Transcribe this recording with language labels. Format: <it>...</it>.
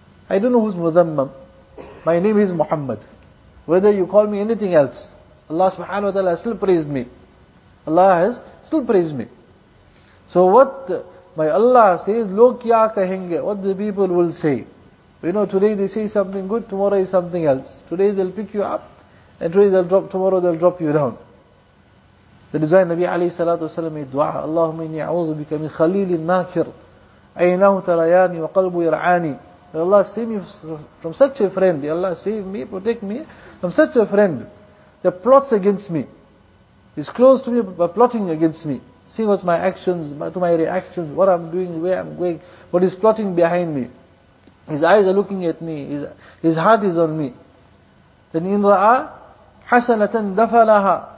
<en>I don't know who's مُذَمَّمْ. My name is Muhammad. Whether you call me anything else, Allah subhanahu wa ta'ala has still praised me. Allah has still praised me. So what my Allah says,</en> <ur>لوگ کیا کہیں گے,</ur> <en>what the people will say. You know, today they say something good, tomorrow is something else. Today they'll pick you up, and today they'll drop, tomorrow they'll drop you down. That is why Nabi alayhi salatu wasalam made dua,</en> <ar>اللهم إني أعوذ بك من خليل ماكر عيناه ترياني وقلبه يرعاني.</ar> <en>Allah save me from such a friend. Allah save me, protect me from such a friend that plots against me. He's close to me but plotting against me. See what's my actions, to my reactions, what I'm doing, where I'm going, what is plotting behind me. His eyes are looking at me, his heart is on me. Then in ra'a</en> <ar>حَسَنَةً دَفَلَهَا.</ar>